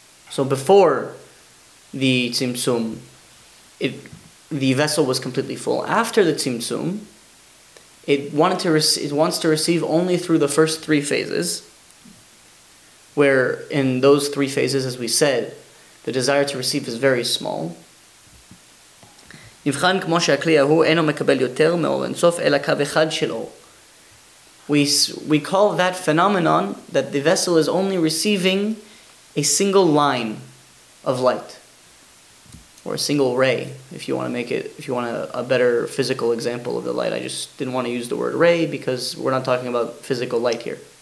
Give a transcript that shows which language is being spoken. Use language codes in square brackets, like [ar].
[en] So before the Tzimtzum, the vessel was completely full. After the Tzimtzum, it wants to receive only through the first three phases, where in those three phases, as we said, the desire to receive is very small. [he] נבחן כמו שהכלי ההוא אינו מקבל יותר מאור אינסוף אלא קו אחד שלו. [en] We call that phenomenon that the vessel is only receiving a single line of light. Or a single ray, if you want a better physical example of the light. I just didn't want to use the word ray because we're not talking about physical light here.